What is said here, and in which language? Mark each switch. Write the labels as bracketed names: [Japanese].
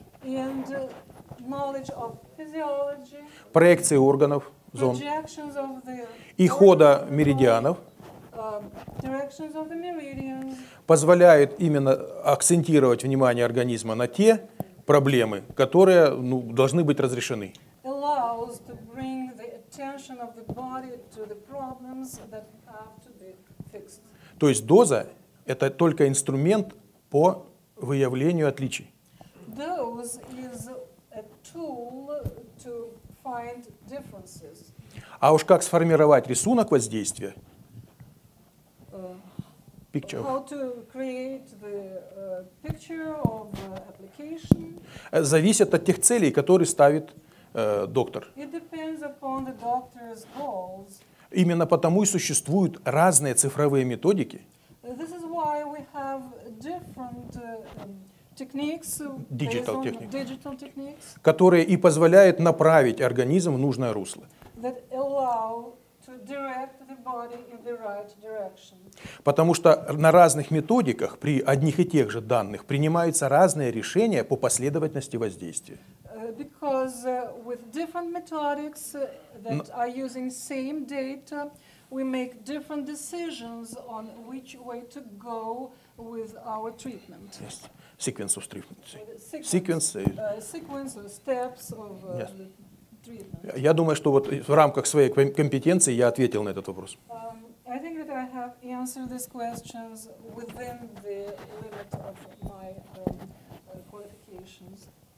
[English] And knowledge of physiology, [Russian] проекции органов, зон. [English] Projections of the [Russian] и хода меридианов. [English] Directions of the meridians. [Russian] Позволяет именно акцентировать внимание организма на те проблемы, которые, ну, должны быть разрешены. [English] Allows to bring the attention of the body to the problems that have to be fixed. [Russian] То есть доза — это только инструмент по выявлению отличий. [English] Dose is a tool to find differences. [Russian] А уж как сформировать рисунок воздействия? [English] Picture. How to create the picture of the application? [Russian] Зависит от тех целей, которые ставит доктор. [English] It depends upon the doctor's goals. [Russian] Именно потому и существуют разные цифровые методики. [English] This is why we have different techniques, digital techniques, digital techniques, [Russian] которые и позволяют направить организм в нужное русло. [English] That allow to direct the body in the right direction. [Russian] Потому что на разных методиках при одних и тех же данных принимаются разные решения по последовательности воздействия. [English] Because with different methodics that are using same data, we make different decisions on which way to go with our treatment. Yes. Sequence of treatment. Sequence of steps of yes. treatment. [Russian] Я думаю, что вот в рамках своей компетенции я ответил на этот вопрос. [English] I think that I have answered these questions within the limit of my qualifications.